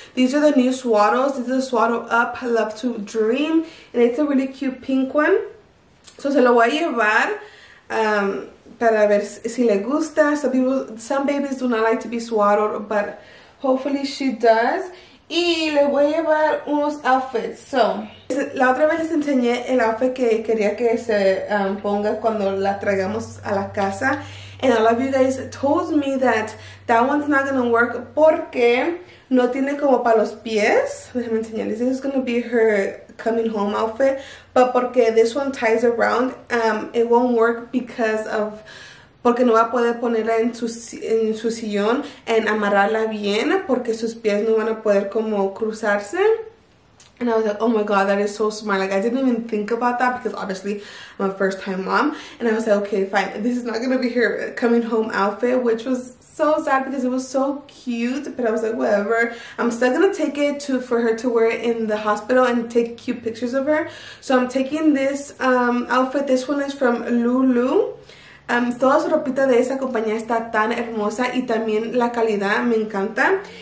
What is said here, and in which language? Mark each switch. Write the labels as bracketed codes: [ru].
[en] These are the new swaddles. This is a swaddle up, I love to dream. And it's a really cute pink one. So [es] se lo voy a llevar. Para ver si le gusta. [en] Some babies do not like to be swaddled, but hopefully she does. [es] Y le voy a llevar unos outfits. So, la otra vez les enseñé el outfit que quería que se ponga cuando la traigamos a la casa. [en] And a lot of you guys told me that that one's not going to work [es] porque no tiene como para los pies. Déjame enseñarles. [en] This is going to be her coming home outfit. But porque this one ties around, it won't work because of... [es] Porque no va a poder ponerla en su sillón en amarrarla bien porque sus pies no van a poder como cruzarse. [en] And I was like, oh my god, that is so smart. Like, I didn't even think about that because obviously I'm a first-time mom. And I was like, okay, fine. This is not going to be her coming home outfit, which was so sad because it was so cute. But I was like, whatever. I'm still going to take it for her to wear it in the hospital and take cute pictures of her. So I'm taking this outfit. This one is from Lulu. [es] Toda su ropita de esa compañía está tan hermosa y también la calidad me encanta.